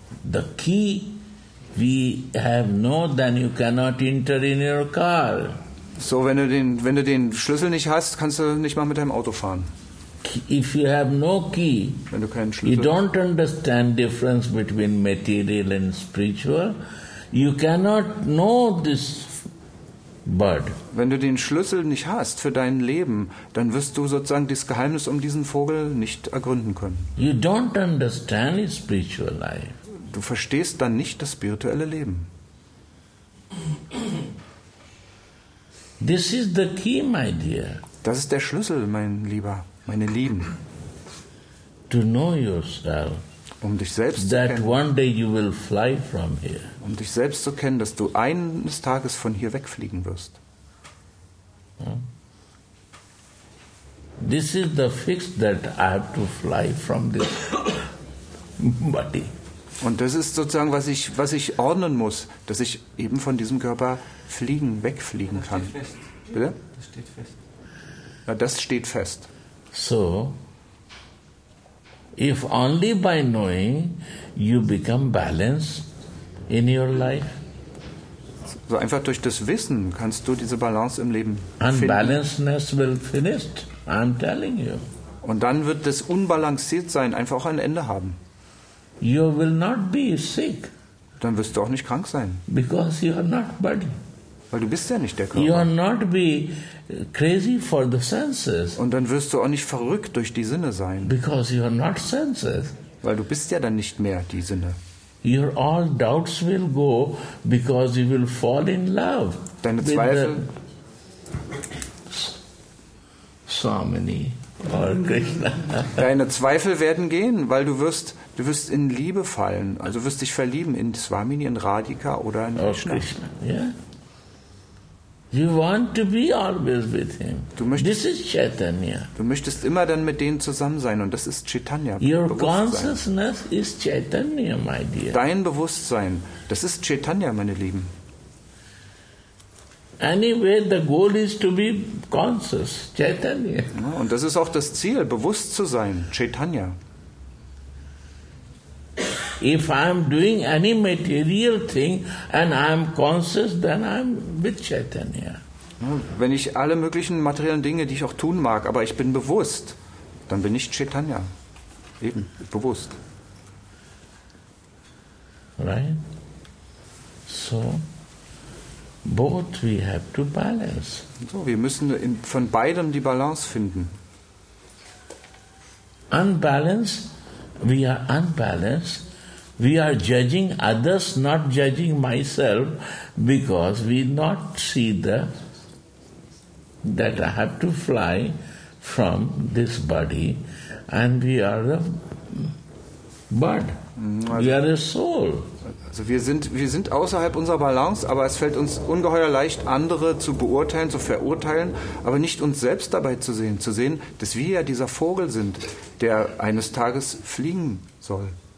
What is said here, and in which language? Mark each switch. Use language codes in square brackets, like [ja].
[en] The key we have no, then you cannot enter in your car. [de] So, wenn du den Schlüssel nicht hast, kannst du nicht mal mit deinem Auto fahren. [en] if you have no key, [de] wenn du keinen Schlüssel hast, [en] you don't understand difference between material and spiritual, you cannot know this bird. [de] Wenn du den Schlüssel nicht hast für dein Leben, dann wirst du sozusagen das Geheimnis um diesen Vogel nicht ergründen können. [en] You don't understand the spiritual life. [de] Du verstehst dann nicht das spirituelle Leben. [en] This is the key, my dear. [de] Das ist der Schlüssel, mein Lieber, meine Lieben. [en] To know yourself. [de] Um dich selbst [en] that [de] zu kennen. [en] That one day you will fly from here. [de] Um dich selbst zu kennen, dass du eines Tages von hier wegfliegen wirst. [en] This is the fix that I have to fly from this body. [de] Und das ist sozusagen, was ich ordnen muss, dass ich eben von diesem Körper fliegen, wegfliegen kann. Das steht fest. Bitte? Das steht fest. Ja, das steht fest. [en] So, if only by knowing you become balanced in your life. [de] So einfach durch das Wissen kannst du diese Balance im Leben finden. [en] Unbalancedness will finish, I'm telling you. [de] Und dann wird das Unbalanciertsein einfach auch ein Ende haben. [en] You will not be sick. [de] Dann wirst du auch nicht krank sein. [en] Because you are not body. [de] Weil du bist ja nicht der Körper. [en] You are not be crazy for the senses. [de] Und dann wirst du auch nicht verrückt durch die Sinne sein. [en] Because you are not senses. [de] Weil du bist ja dann nicht mehr die Sinne. [en] Your all doubts will go because you will fall in love. [de] Deine Zweifel. [en] Swamini or Krishna. [de] Deine Zweifel werden gehen, weil du wirst in Liebe fallen. Also wirst dich verlieben in Swamini, in Radhika oder in Krishna. [en] Krishna. Yeah. You want to be always with him. This is Chaitanya. [de] Du möchtest immer dann mit denen zusammen sein und das ist Chaitanya. [en] Your consciousness is Chaitanya, my dear. [de] Dein Bewusstsein, das ist Chaitanya, meine Lieben. [en] Anyway, the goal is to be conscious, Chaitanya. [de] Ja, und das ist auch das Ziel, bewusst zu sein, Chaitanya. [en] If I'm doing any material thing and I'm conscious, then I'm with Chaitanya. [de] Wenn ich alle möglichen materiellen Dinge, die ich auch tun mag, aber ich bin bewusst, dann bin ich Chaitanya. Eben, bewusst. [en] Right? So, both we have to balance. [de] So, wir müssen von beidem die Balance finden. [en] Unbalanced, we are unbalanced. We are judging others, not judging myself, because we not see that I have to fly from this body, and we are a bird. Also, we are a soul. [de] Also wir sind außerhalb unserer Balance, aber es fällt uns ungeheuer leicht, andere zu beurteilen, zu verurteilen, aber nicht uns selbst dabei zu sehen, dass wir ja dieser Vogel sind, der eines Tages fliegen soll.